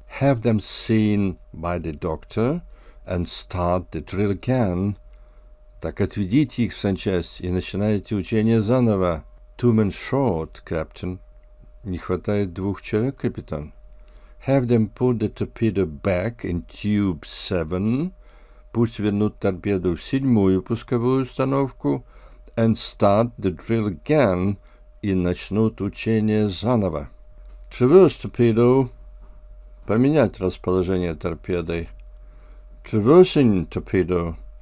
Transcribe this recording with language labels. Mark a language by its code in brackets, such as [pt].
[en] Have them seen by the doctor and start the drill again. [ru] Так отведите их в санчасть и начинайте учение заново. [en] Two men short, captain. [ru] Не хватает двух человек, капитан. [en] Have them put the torpedo back in tube 7. [ru] Пусть вернут торпеду в седьмую пусковую установку. [en] And start the drill again. [ru] И начнут учение заново. [en] Traverse torpedo. [ru] Поменять расположение торпеды. [en] Traversing torpedo.